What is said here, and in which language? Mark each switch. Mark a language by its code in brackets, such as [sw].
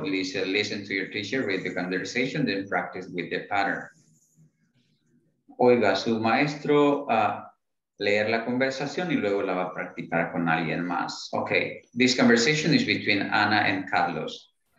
[en] Lisa, listen to your teacher, read the conversation, then practice with the pattern. [es] Oiga a su maestro a leer la conversación y luego la va a practicar con alguien más. [en] Okay, this conversation is between Ana and Carlos.